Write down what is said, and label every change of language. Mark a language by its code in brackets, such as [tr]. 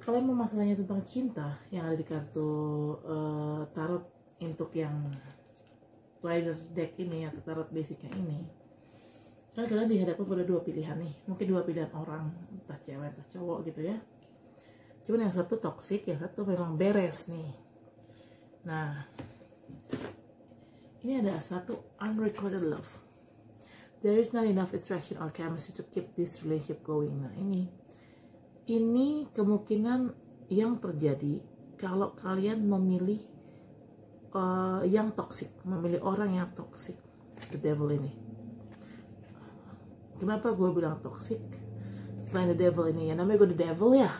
[id] Kalau mau masalahnya tentang cinta yang ada di kartu tarot untuk yang Rider deck ini ya, tarot basicnya ini, kalian dihadapkan pada dua pilihan nih. Mungkin dua pilihan orang, entah cewek entah cowok gitu ya. Cuman yang satu toksik, yang satu memang beres nih. Nah, ini ada satu [en] unrequited love. There is not enough attraction or chemistry to keep this relationship going. [id] Nah, ini kemungkinan yang terjadi kalau kalian memilih yang toksik, memilih orang yang toksik, the devil ini. Kenapa gue bilang toksik? Selain the devil ini, ya namanya gue the devil ya.